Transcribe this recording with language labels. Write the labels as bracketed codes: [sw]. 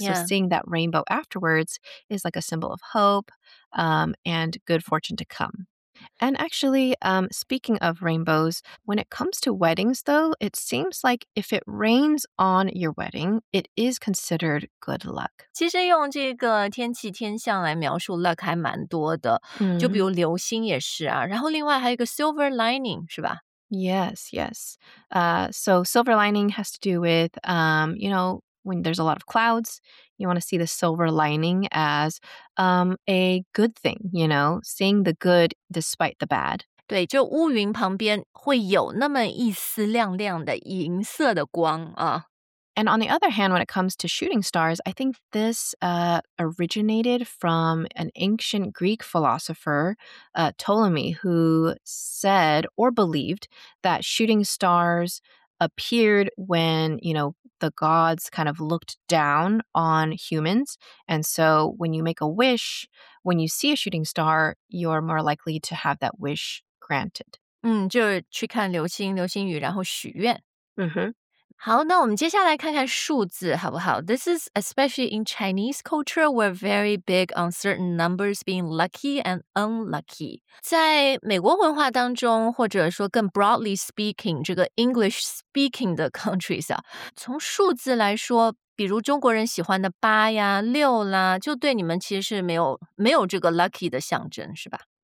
[en] So seeing that rainbow afterwards is like a symbol of hope and good fortune to come. And actually, speaking of rainbows, when it comes to weddings, though, it seems like if it rains on your wedding, it is considered good luck. [zh] 其实用这个天气天象来描述 luck 还蛮多的，就比如流星也是啊。然后另外还有一个 silver lining, 是吧？ [en] Yes, yes. So silver lining has to do with, you know, when there's a lot of clouds, you want to see the silver lining as a good thing, you know, seeing the good despite the bad. [zh] 对，就乌云旁边会有那么一丝亮亮的银色的光啊。 [en] And on the other hand, when it comes to shooting stars, I think this originated from an ancient Greek philosopher, Ptolemy, who said or believed that shooting stars appeared when, you know,the gods kind of looked down on humans. And so when you make a wish, when you see a shooting star, you're more likely to have that wish granted. [zh] 就去看流星、流星雨，然后许愿。嗯哼。好，那我们接下来看看数字好不好？ [en] This is especially in Chinese culture, we're very big on certain numbers being lucky and unlucky. [zh] 在美国文化当中，或者说更 [en] broadly speaking, [zh] 这个 [en] English speaking [zh] 的 [en] countries [zh] 啊，从数字来说，比如中国人喜欢的八呀、六啦，就对你们其实是没有这个 lucky 的象征，是吧？